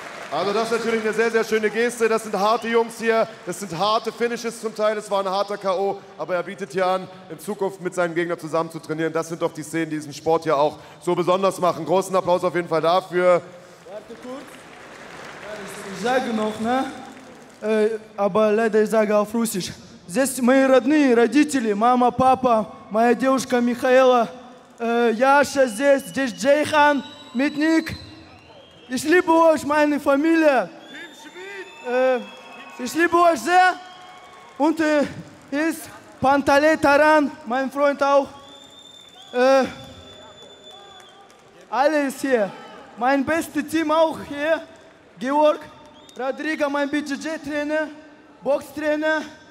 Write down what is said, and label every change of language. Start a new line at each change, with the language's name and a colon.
German: Also das ist natürlich eine sehr, sehr schöne Geste. Das sind harte Jungs hier, das sind harte Finishes zum Teil. Es war ein harter K.O., aber er bietet hier an, in Zukunft mit seinem Gegner zusammen zu trainieren. Das sind doch die Szenen, die diesen Sport hier auch so besonders machen. Großen Applaus auf jeden Fall dafür. Warte kurz. Ich sage noch, ne? Aber leider, ich sage auf Russisch.
Russian: Здесь мои родные родители, мама, папа, моя девушка Михаила, Яша здесь, здесь Джейхан, Митник.
German: Ich liebe euch, meine Familie. Ich liebe euch sehr. Und hier ist Pantale Taran, mein Freund auch. Alle ist hier. Mein bestes Team auch hier. Georg, Rodrigo, mein BJJ-Trainer, Boxtrainer.